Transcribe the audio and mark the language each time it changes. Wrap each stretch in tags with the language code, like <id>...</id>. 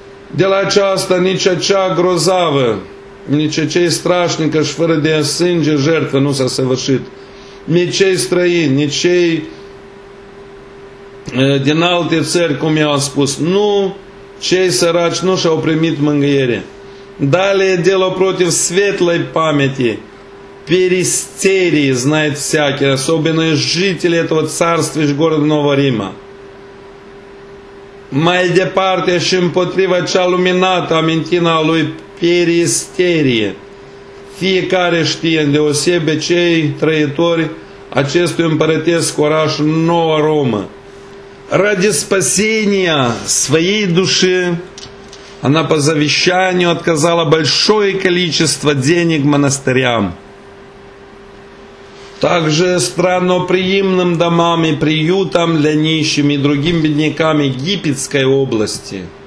<ro>De la aceasta nici acea grozavă, nici acei strașnică și fără de sânge jertfă nu s-a săvârșit. Nici cei străini, nici cei din alte țări, cum i-au spus, nu cei săraci nu și-au primit mângâiere.</ro> <ru>Далее дело против светлой памяти, перистерии, знает всякий, особенно жители этого царства и города Нового Рима.</ru> <ro>Mai departe și împotriva cea luminată amintina lui Peristerie. Fiecare știe, îndeosebe cei trăitori acestui împărătesc oraș Noua Romă.</ro> <ru>Ради спасения своей души она по завещанию отказала большое количество денег монастырям. Также странноприимным домам и приютам для нищих и другим беднякам Египетской области.</ru>